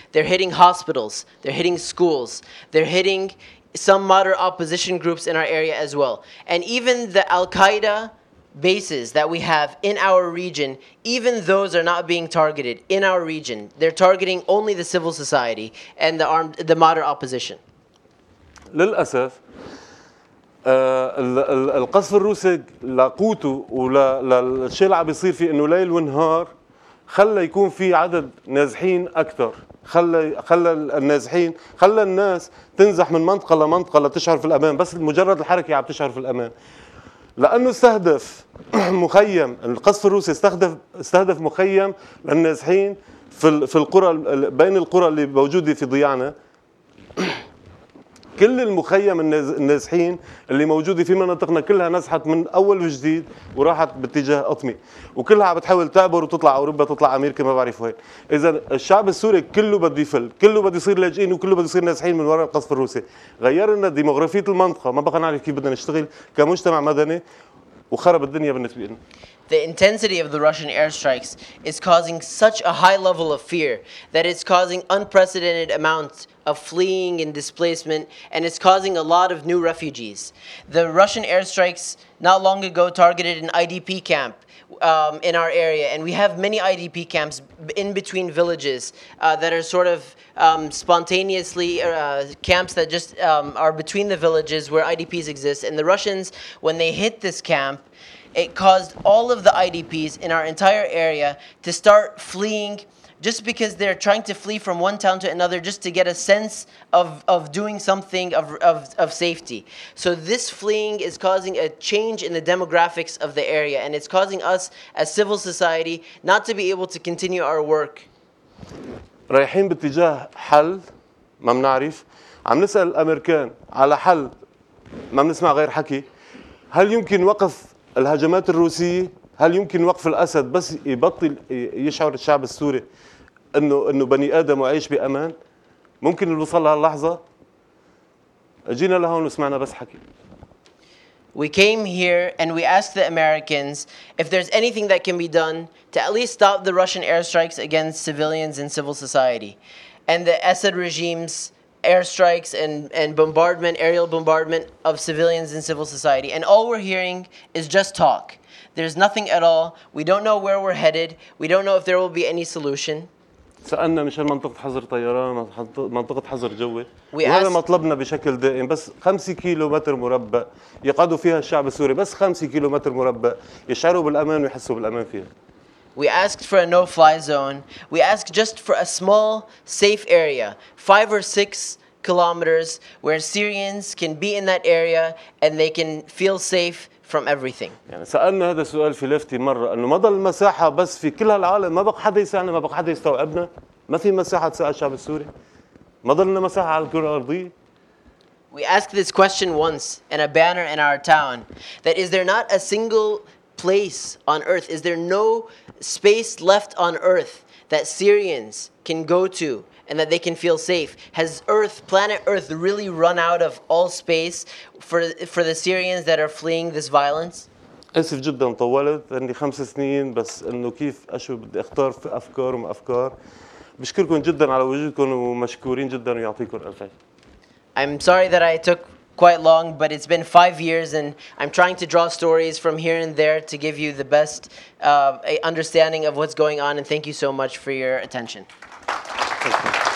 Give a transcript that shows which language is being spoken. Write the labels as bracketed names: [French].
[English] They're hitting hospitals. They're hitting schools. They're hitting some moderate opposition groups in our area as well. And even the Al-Qaeda bases that we have in our region, even those are not being targeted in our region. They're targeting only the civil society and the moderate opposition. [Arabic] للأسف القصف الروسي لقوته وللشيء اللي عم بيصير فيه انه ليل ونهار خلى يكون في عدد نازحين اكثر خلى النازحين خلى الناس تنزح من منطقه لمنطقه لتشعر في الامان بس مجرد الحركه عم تشعر في الامان لانه استهدف مخيم القصف الروسي استهدف مخيم للنازحين في القرى بين القرى اللي موجوده في ضيعنا كل المخيم النازحين اللي موجوده في مناطقنا كلها نزحت من اول وجديد وراحت باتجاه قطمي وكلها عم بتحاول تعبر وتطلع اوروبا تطلع امريكا ما بعرف وين اذا الشعب السوري كله بده يفل كله بده يصير لاجئين وكله بده يصير نازحين من وراء القصف الروسي غيرنا ديموغرافيه المنطقه ما بقى نعرف كيف بدنا نشتغل كمجتمع مدني وخرب الدنيا بالنسبه لنا [English] The intensity of the Russian airstrikes is causing such a high level of fear that it's causing unprecedented amounts of fleeing and displacement, and it's causing a lot of new refugees. The Russian airstrikes not long ago targeted an IDP camp in our area, and we have many IDP camps in between villages that are sort of spontaneously camps that just are between the villages where IDPs exist. And the Russians, when they hit this camp, it caused all of the IDPs in our entire area to start fleeing just because they're trying to flee from one town to another just to get a sense of doing something of safety. So this fleeing is causing a change in the demographics of the area, and it's causing us as civil society not to be able to continue our work. [Arabic] رايحين باتجاه حل ما بنعرف عم نسأل الأمريكان على حل ما بنسمع غير حكي هل يمكن وقف الهجمات الروسية هل يمكن وقف الأسد بس يبطل يشعر الشعب السوري إنه بني آدم وعيش بأمان ممكن نوصل لهاللحظة جينا لهون وسمعنا بس حكي [English] We came here and we asked the Americans if there's anything that can be done to at least stop the Russian airstrikes against civilians and civil society and the Assad regime's airstrikes and bombardment, aerial bombardment of civilians and civil society. And all we're hearing is just talk. There's nothing at all. We don't know where we're headed. We don't know if there will be any solution. [Arabic] سألنا مشان منطقة حظر طيران منطقة حظر جوي وهذا مطلبنا بشكل دائم بس 5 كيلو متر مربع يقعدوا فيها الشعب السوري بس 5 كيلو متر مربع يشعروا بالأمان ويحسوا بالأمان فيها [English] We asked for a no-fly zone. We asked just for a small, safe area, 5 or 6 kilometers, where Syrians can be in that area and they can feel safe from everything. [Arabic] يعني سألنا هذا السؤال في لفتي مرة إنه ما ضل مساحة بس في كل هالعالم ما بق حد يسألنا ما بق حد يستوعبنا ما في مساحة تسأل الشعب السوري ما ضلنا مساحة على الكرة الأرضية. [English] We asked this question once in a banner in our town. That is there not a single place on earth? Is there no space left on earth that Syrians can go to and that they can feel safe? Has earth, planet earth, really run out of all space for the Syrians that are fleeing this violence? [Arabic] اسف جدا طولت عندي 5 سنين بس انه كيف اشو بدي اختار في افكار وما افكار بشكركم جدا على وجودكم ومشكورين جدا ويعطيكم الف [English] I'm sorry that I took quite long, but it's been 5 years, and I'm trying to draw stories from here and there to give you the best understanding of what's going on, and thank you so much for your attention. Thank you.